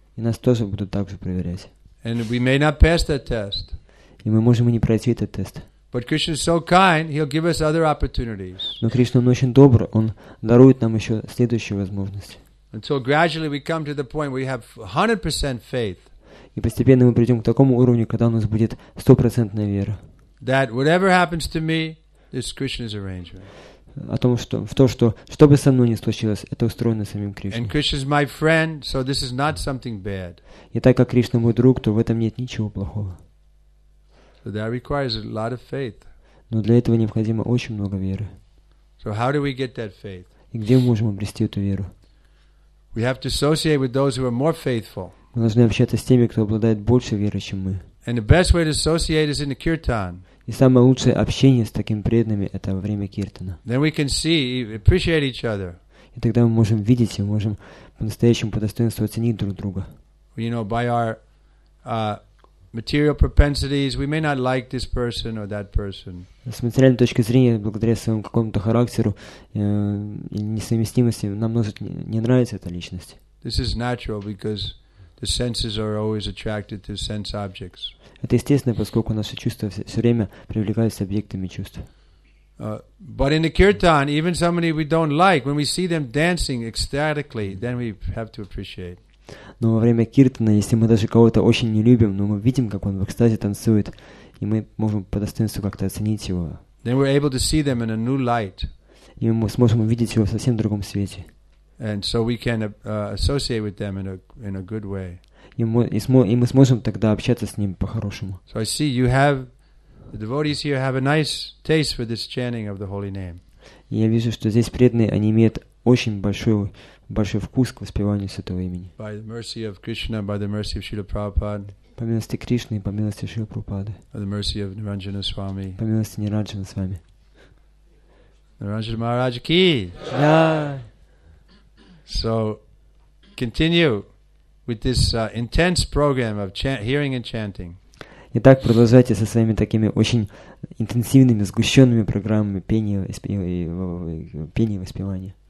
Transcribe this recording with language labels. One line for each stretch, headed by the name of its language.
Russian: И нас тоже будут так же проверять.
English: And we may not pass that test.
Russian: И мы можем и не пройти этот тест.
English: But Krishna is so kind, he'll give us other opportunities.
Russian: Но Кришна, он очень добр, он дарует нам еще следующие возможности.
English: Until gradually we come to the point where we have 100% faith.
Russian: И постепенно мы придем к такому уровню, когда у нас будет 100% вера.
English: That whatever happens to me, it's Krishna's arrangement.
Russian: О том, что в то, что бы со мной ни случилось, это устроено самим Кришной.
English: And Krishna's my friend, so this is not something bad.
Russian: И так как Кришна мой друг, то в этом нет ничего плохого.
English: So that requires a lot of faith.
Russian: Но для этого необходимо очень много веры.
English: So how do we get that faith?
Russian: И где мы можем обрести эту веру?
English: We have to associate with those who are more faithful.
Russian: Мы должны общаться с теми, кто обладает большей верой, чем мы.
English: And the best way to associate is in the kirtan.
Russian: И самое лучшее общение с такими преданными – это во время киртана.
English: Then we can see, appreciate each other.
Russian: И тогда мы можем видеть и можем по-настоящему по достоинству оценить друг друга.
English: You know, by our material propensities, we may not like this person or that person.
Russian: С материальной точки зрения, благодаря своему какому-то характеру или несовместимости, нам может не нравится эта личность.
English: This is natural because The senses are always attracted to sense objects.
Russian: Это естественно, поскольку наши чувства все время привлекаются объектами чувств.
English: But in the kirtan, even somebody we don't like, when we see them dancing ecstatically, then we have to appreciate.
Russian: Но во время киртана, если мы даже кого-то очень не любим, но мы видим, как он в экстазе танцует, и мы можем по достоинству как-то оценить его.
English: Then we're able to see them in a new light.
Russian: И мы сможем увидеть его в совсем другом свете.
English: And so we can associate with them in a good way.
Russian: И мы сможем тогда общаться с ним по-хорошему.
English: So I see you have the devotees here have a nice taste for this chanting of the holy name.
Russian: Я вижу, что здесь преданные, они имеют очень большой вкус к воспеванию святого имени.
English: By the mercy of Krishna, by the mercy of Srila Prabhupada.
Russian: По милости Кришны, по милости Шрила Прабхупады.
English: By the mercy of Niranjana Swami.
Russian: По милости Ниранджана Свами.
English: Niranjana Maharaj ki. Jai. So, continue with this intense program of hearing and chanting.
Russian: Итак, продолжайте со своими такими очень интенсивными, сгущенными программами пения и воспевания.